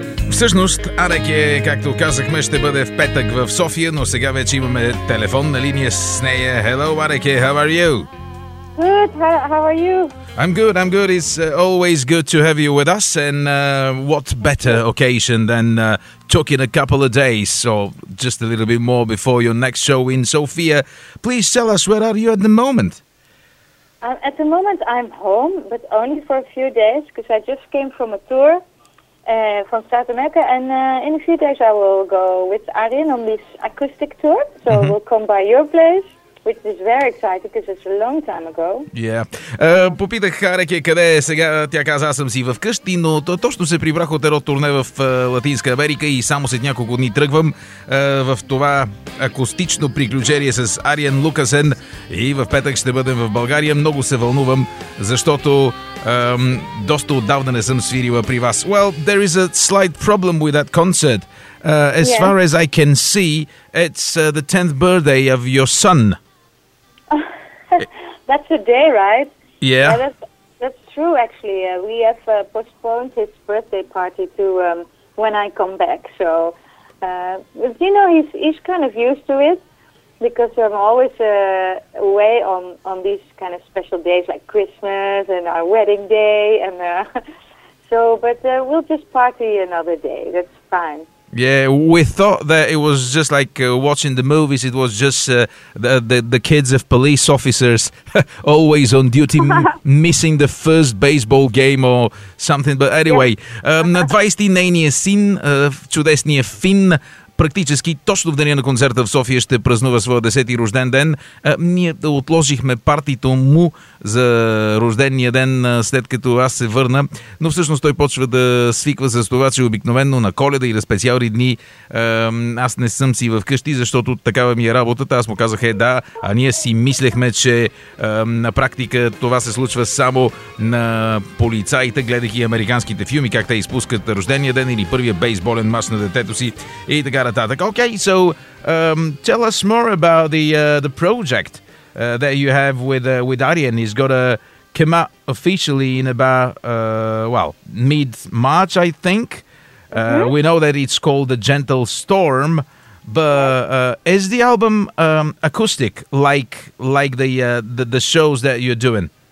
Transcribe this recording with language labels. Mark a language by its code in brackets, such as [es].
[bg] Всъщност, Арек е, както казахме, ще бъде в петък в София, но сега вече имаме телефон на линия с нея. [en] Hello, Арек, how are you? Good, how are you? I'm good. It's always good to have you with us. And what better occasion than talking a couple of days or just a little bit more before your next show in Sofia. Please tell us, where are you at the moment? At the moment, I'm home, but only for a few days because I just came from a tour from South America. And in a few days, I will go with Arjen on this acoustic tour. So mm-hmm. we'll come by your place. Which is very exciting because it's a long time ago. Yeah. [bg] Попитах Хареке къде е сега. Тя каза, аз съм си вкъщи, но точно се прибрах от едно турне в Латинска Америка и само след няколко дни тръгвам в това акустично приключение с Арьен Лукасен. И в петък ще бъдем в България. Много се вълнувам, защото доста отдавна не съм свирила при вас. [en] Well, there is a slight problem with that concert. As far as I can see, it's the 10th birthday of your son. That's a day, right? Yeah. That's true, actually. We have postponed his birthday party to when I come back. So, you know, he's kind of used to it because I'm always away on these kind of special days like Christmas and our wedding day. And so, but we'll just party another day. That's fine. Yeah, we thought that it was just like watching the movies. It was just the kids of police officers always on duty, missing the first baseball game or something. But anyway, [bg] на 20-ти нейния син, чудесния Фин, практически точно в деня на концерта в София ще празнува своя 10-ти рожден ден. Ние отложихме партито му за рождения ден, след като аз се върна, но всъщност той почва да свиква с това, че обикновено на Коледа и на специални дни аз не съм си вкъщи, защото такава ми е работата. Аз му казах, да, а ние си мислехме, че на практика това се случва само на полицаите, гледайки американските филми, как те изпускат рождения ден или първия бейсболен мач на детето си и така нататък. [en] Okay, so tell us more about the project. That you have with Arjen. He's got to come out officially in about, mid-March, I think. Mm-hmm. We know that it's called The Gentle Storm, but is the album acoustic, like the shows that you're doing?